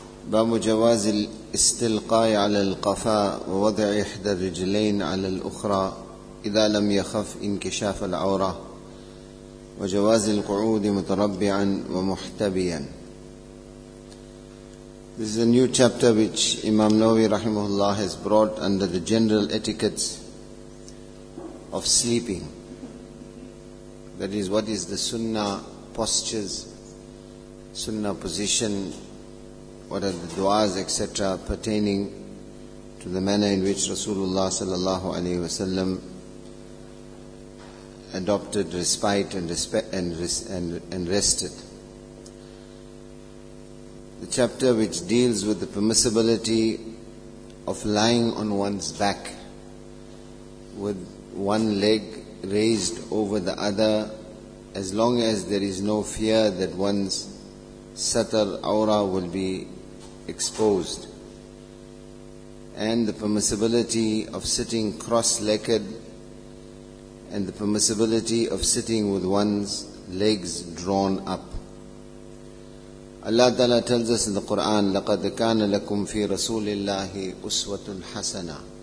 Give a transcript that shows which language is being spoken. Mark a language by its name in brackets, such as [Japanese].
[Arabic] باب جواز الاستلقاء على القفاء ووضع إحدى الرجلين على الأخرى إذا لم يخف انكشاف العورة، وجواز القعود متربعا ومحتبيا. [English] This is a new chapter which Imam Nawawi rahimahullah has brought under the general etiquettes of sleeping. That is, what is the sunnah postures, sunnah position, what are the du'as, etc., pertaining to the manner in which Rasulullah sallallahu alayhi wa sallam adopted respite and rested. The chapter which deals with the permissibility of lying on one's back with one leg raised over the other, as long as there is no fear that one's satr, aura, will be exposed, and the permissibility of sitting cross-legged, and the permissibility of sitting with one's legs drawn up. Allah Ta'ala tells us in the Quran, [Arabic] لَقَدْ كَانَ لَكُمْ فِي رَسُولِ اللَّهِ أُسْوَةٌ حَسَنَةٌ.